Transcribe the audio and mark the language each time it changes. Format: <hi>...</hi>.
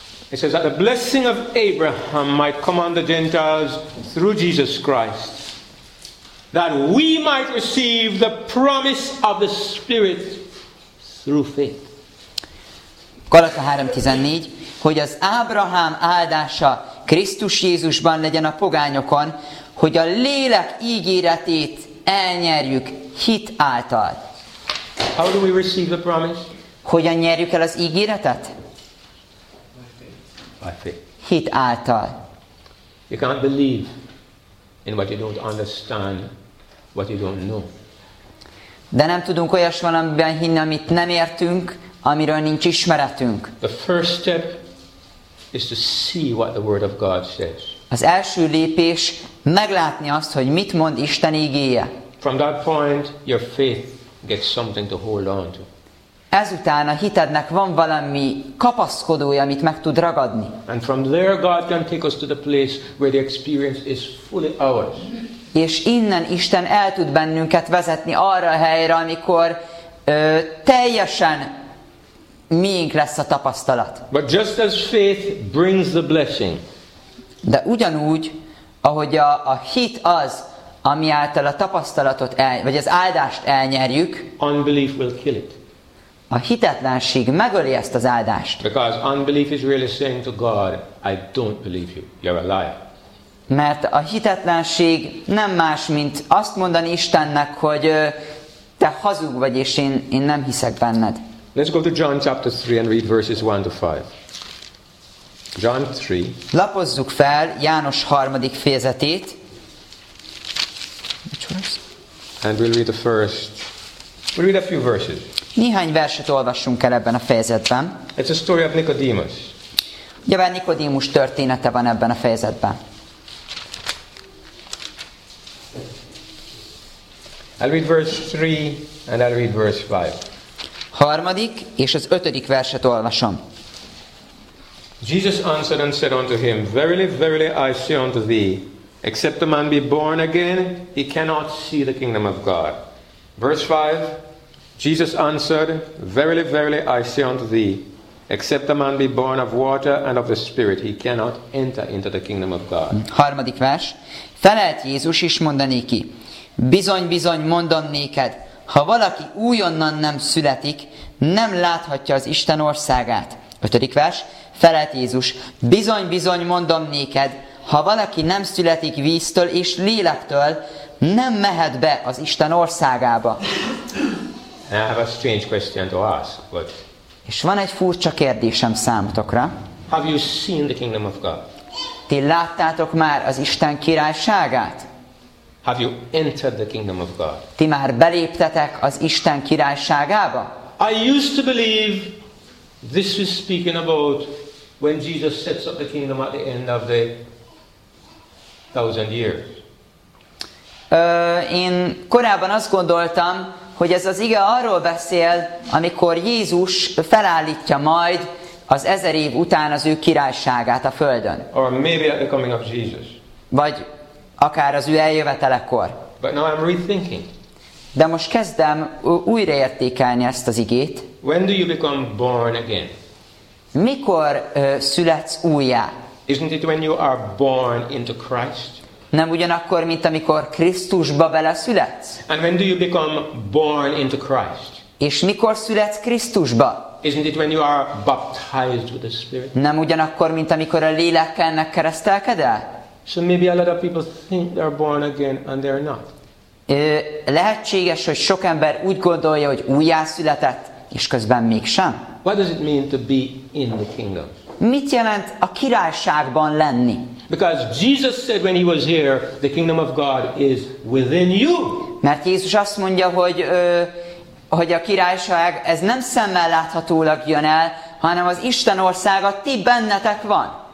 <en>It says that the blessing of Abraham might come on the Gentiles through Jesus Christ, that we might receive the promise of the Spirit through faith.</en> <hu>Galata 3:14, hogy az Ábrahám áldása Krisztus Jézusban legyen a pogányokon, hogy a lélek ígéretét elnyerjük hit által.</hu> <en>How do we receive the promise?</en> <hu>Hogyan nyerjük el az ígéretet?</hu> <en>By faith.</en> <hu>Hit által.</hu> <en>You can't believe in what you don't understand, what you don't know.</en> <hu>De nem tudunk olyas valamiben hinni, amit nem értünk, amiről nincs ismeretünk.</hu> <en>The first step is to see what the word of God says.</en> <hu>Az első lépés meglátni azt, hogy mit mond Isten ígéje.</hu> <en>From that point your faith get something to hold on to.</en> <hu>Ezután a hitednek van valami kapaszkodója, amit meg tud ragadni.</hu> <en>And from there God can take us to the place where the experience is fully ours.</en> <hu>És innen Isten el tud bennünket vezetni arra a helyre, amikor teljesen miénk lesz a tapasztalat.</hu> <en>But just as faith brings the blessing.</en> <hu>De ugyanúgy, ahogy a hit az, ami által a tapasztalatot vagy az áldást elnyerjük,</hu> <en>unbelief will kill it.</en> <hu>A hitetlenség megöli ezt az áldást.</hu> <en>Because unbelief is really saying to God, I don't believe you, you're a liar.</en> <hu>Mert a hitetlenség nem más, mint azt mondani Istennek, hogy te hazug vagy, és én nem hiszek benned.</hu> <en>Let's go to John chapter 3 and read verses 1 to 5. John 3.</en> <hu>Lapozzuk fel János 3. fejezetét.</hu> <en>And we'll read the first. We'll read a few verses.</en> <hu>Néhány verset olvassunk el ebben a fejezetben.</hu> <en>It's a story of Nicodemus.</en> <hu>Nyilván Nikodémus története van ebben a fejezetben.</hu> <en>I'll read verse 3 and I'll read verse 5.</en> <hu>Harmadik és az ötödik verset olvasom.</hu> <en>Jesus answered and said unto him, Verily, verily, I say unto thee, except a man be born again, he cannot see the kingdom of God. Verse 5, Jesus answered, Verily, verily, I say unto thee, Except a man be born of water and of the Spirit, he cannot enter into the kingdom of God.</en> <hu>Harmadik vers. Felelt Jézus is mondanéki. Bizony-bizony mondom néked, ha valaki újonnan nem születik, nem láthatja az Isten országát. Ötödik vers. Felelt Jézus. Bizony-bizony mondom néked, ha valaki nem születik víztől és lélektől, nem mehet be az Isten országába.</hu> <en>I have a strange question to ask, but...</en> <hu>És van egy furcsa kérdésem számotokra.</hu> <en>Have you seen the kingdom of God?</en> <hu>Ti láttátok már az Isten királyságát?</hu> <en>Have you entered the kingdom of God?</en> <hu>Ti már beléptetek az Isten királyságába?</hu> <en>I used to believe this is speaking about when Jesus sets up the kingdom at the end of the 1000 years.</en> <hu>Én korábban azt gondoltam, hogy ez az ige arról beszél, amikor Jézus felállítja majd az 1000 év után az ő királyságát a Földön.</hu> <en>Or maybe at the coming of Jesus.</en> <hu>Vagy akár az ő eljövetelekor.</hu> <en>But now I'm rethinking.</en> <hu>De most kezdem újraértékelni ezt az igét.</hu> <en>When do you become born again?</en> <hu>Mikor születsz újjá?</hu> <en>Isn't it when you are born into Christ?</en> <hu>Nem ugyanakkor, mint amikor Krisztusba beleszületsz?</hu> <en>And when do you become born into Christ?</en> <hu>És mikor születsz Krisztusba?</hu> <en>Isn't it when you are baptized with the Spirit?</en> <hu>Nem ugyanakkor, mint amikor a lélekkel megkeresztelked el?</hu> <en>So maybe a lot of people think they're born again and they're not.</en> <hu>Lehetséges, hogy sok ember úgy gondolja, hogy újjászületett, és közben mégsem.</hu> <en>What does it mean to be in the kingdom?</en> <hu>Mit jelent a királyságban lenni?</hu> <en>Because Jesus said when he was here, the kingdom of God is within you.</en> <hu>Mert Jézus azt mondja, hogy hogy a királyság ez nem szemmel láthatólag jön el, hanem az Isten országa ti bennetek van.</hu>